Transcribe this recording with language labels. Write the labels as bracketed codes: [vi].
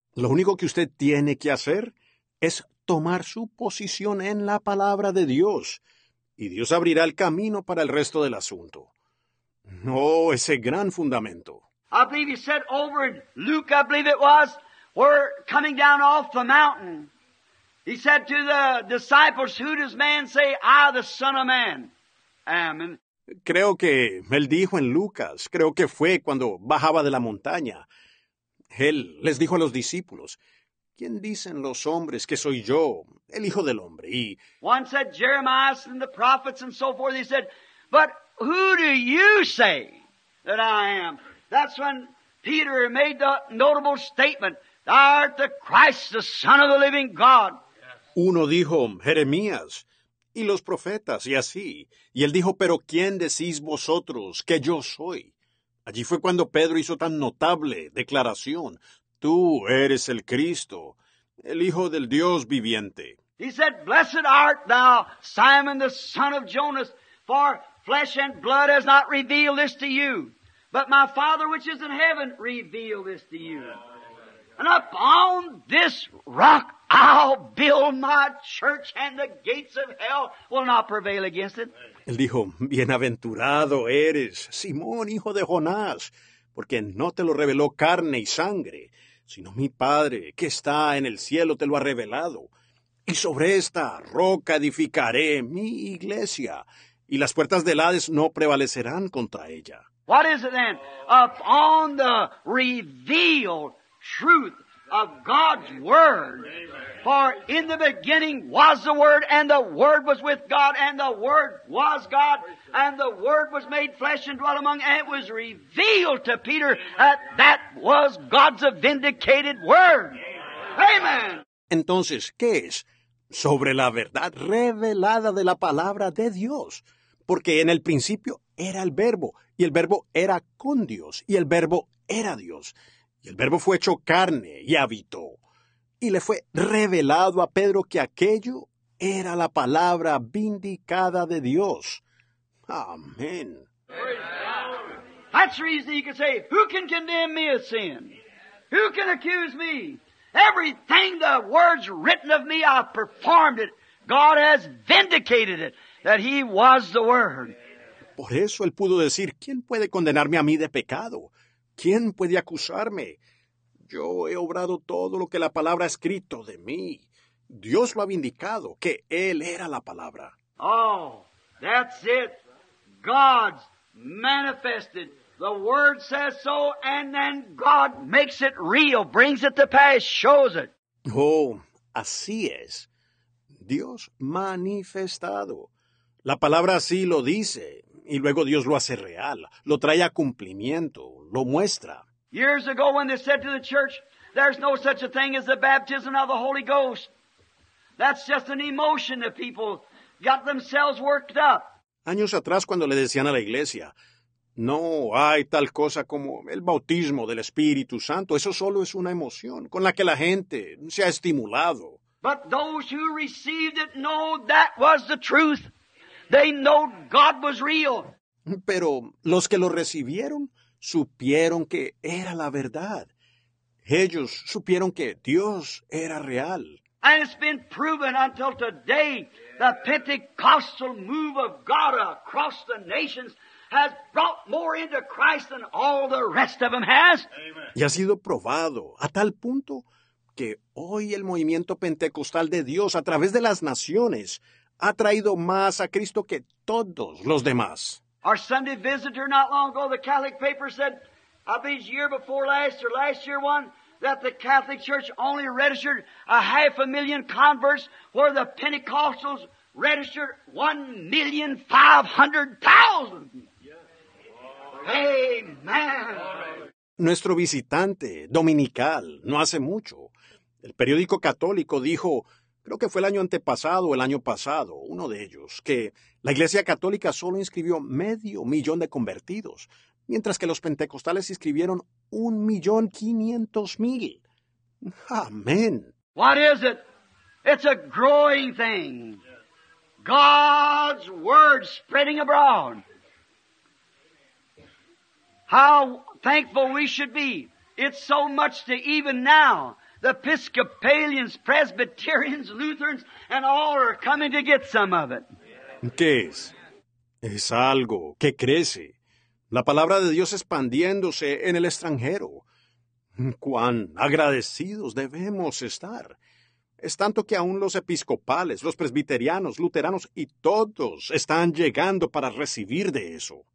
[es] Lo único que usted tiene que hacer es tomar su posición en la palabra de Dios, y Dios abrirá el camino para el resto del asunto. No, ese gran fundamento. [en] I believe he said over in Luke, I believe it was, we're coming down off the mountain. He said to the disciples, who does man say, I, the Son of Man, am? And [es] creo que él dijo en Lucas, creo que fue cuando bajaba de la montaña. Él les dijo a los discípulos, ¿quién dicen los hombres que soy yo, el Hijo del Hombre? Y [en] one said Jeremiah and the prophets and so forth. He said, but who do you say that I am? That's when Peter made the notable statement, thou art the Christ, the Son of the living God. [es] Uno dijo, Jeremías, y los profetas, y así. Y él dijo, pero ¿quién decís vosotros que yo soy? Allí fue cuando Pedro hizo tan notable declaración. Tú eres el Cristo, el Hijo del Dios viviente. [en] He said, blessed art thou, Simon, the son of Jonas, for flesh and blood has not revealed this to you, but my Father which is in heaven revealed this to you. And upon this rock I'll build my church, and the gates of hell will not prevail against it. [es] Él dijo, bienaventurado eres, Simón, hijo de Jonás, porque no te lo reveló carne y sangre, sino mi Padre, que está en el cielo, te lo ha revelado. Y sobre esta roca edificaré mi iglesia, y las puertas del Hades no prevalecerán contra ella. [en] What is it then? Upon the revealed truth of God's Word. For in the beginning was the Word, and the Word was with God, and the Word was God, and the Word was made flesh and dwelt among, and it was revealed to Peter that that was God's vindicated Word. Amen. [es] Entonces, ¿qué es? Sobre la verdad revelada de la palabra de Dios. Porque en el principio era el Verbo, y el Verbo era con Dios, y el Verbo era Dios. Y el Verbo fue hecho carne y habitó. Y le fue revelado a Pedro que aquello era la palabra vindicada de Dios. Amén. [en] That's the reason you can say, who can condemn me of sin? Who can accuse me? Everything the Word's written of me, I've performed it. God has vindicated it, that He was the Word. [es] Por eso él pudo decir, ¿quién puede condenarme a mí de pecado? ¿Quién puede acusarme? Yo he obrado todo lo que la palabra ha escrito de mí. Dios lo ha vindicado, que Él era la palabra. [en] Oh, that's it. God's manifested. The Word says so, and then God makes it real, brings it to pass, shows it. [es] Oh, así es. Dios manifestado. La palabra así lo dice, y luego Dios lo hace real, lo trae a cumplimiento, lo muestra. [en] Years ago when they said to the church, there's no such a thing as the baptism of the Holy Ghost. That's just an emotion that people got themselves worked up. [es] Años atrás cuando le decían a la iglesia, no hay tal cosa como el bautismo del Espíritu Santo, eso solo es una emoción con la que la gente se ha estimulado. [en] But those who received it know that was the truth. They know God was real. [es] Pero los que lo recibieron supieron que era la verdad. Ellos supieron que Dios era real. [en] And it's been proven until today, the Pentecostal move of God across the nations has brought more into Christ than all the rest of them has. [es] Y ha sido probado a tal punto que hoy el movimiento pentecostal de Dios a través de las naciones ha traído más a Cristo que todos los demás. [en] Our Sunday visitor not long ago, the Catholic paper said, I think year before last or last year one, that the Catholic Church only registered 500,000 converts, where the Pentecostals registered 1,500,000. Amen. [es] Nuestro visitante dominical, no hace mucho, el periódico católico dijo, creo que fue el año antepasado o el año pasado, uno de ellos, que la Iglesia Católica solo inscribió 500,000 de convertidos, mientras que los pentecostales inscribieron 1,500,000. ¡Amén! [en] What is it? It's a growing thing. God's Word spreading abroad. How thankful we should be. It's so much to even now. The Episcopalians, Presbyterians, Lutherans, and all are coming to get some of it. [es] ¿Qué es? Es algo que crece. La palabra de Dios expandiéndose en el extranjero. ¡Cuán agradecidos debemos estar! Es tanto que aún los episcopales, los presbiterianos, luteranos y todos están llegando para recibir de eso.